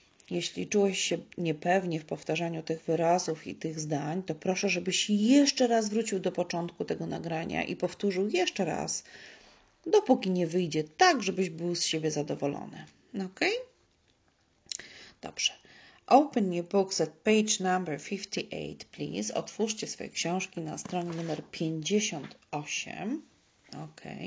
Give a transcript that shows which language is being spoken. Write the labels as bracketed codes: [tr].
[pl] Jeśli czułeś się niepewnie w powtarzaniu tych wyrazów i tych zdań, to proszę, żebyś jeszcze raz wrócił do początku tego nagrania i powtórzył jeszcze raz, dopóki nie wyjdzie tak, żebyś był z siebie zadowolony. Ok? Dobrze. [en] Open your books at page number 58, please. [pl] Otwórzcie swoje książki na stronie numer 58. Ok.